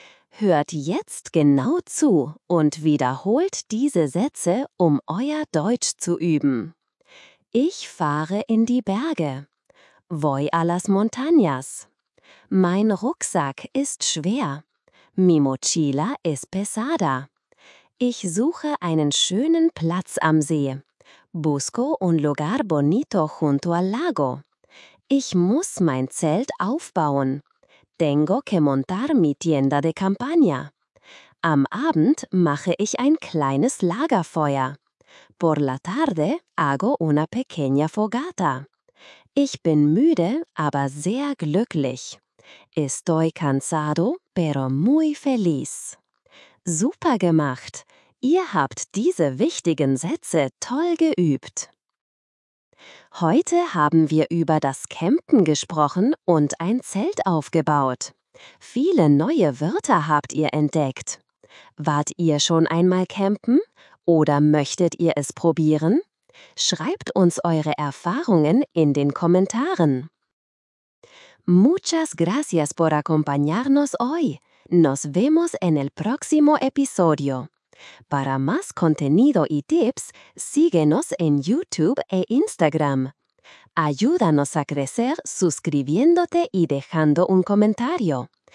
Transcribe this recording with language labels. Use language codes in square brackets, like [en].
[de] Hört jetzt genau zu und wiederholt diese Sätze, um euer Deutsch zu üben. Ich fahre in die Berge. [es] Voy a las montañas. [de] Mein Rucksack ist schwer. [es] Mi mochila es pesada. [de] Ich suche einen schönen Platz am See. [es] Busco un lugar bonito junto al lago. [de] Ich muss mein Zelt aufbauen. [es] Tengo que montar mi tienda de campaña. [de] Am Abend mache ich ein kleines Lagerfeuer. [es] Por la tarde hago una pequeña fogata. [de] Ich bin müde, aber sehr glücklich. [es] Estoy cansado, pero muy feliz. [de] Super gemacht! Ihr habt diese wichtigen Sätze toll geübt. Heute haben wir über das Campen gesprochen und ein Zelt aufgebaut. Viele neue Wörter habt ihr entdeckt. Wart ihr schon einmal campen oder möchtet ihr es probieren? Schreibt uns eure Erfahrungen in den Kommentaren. [es] Muchas gracias por acompañarnos hoy. Nos vemos en el próximo episodio. Para más contenido y tips, síguenos en YouTube e Instagram. Ayúdanos a crecer suscribiéndote y dejando un comentario.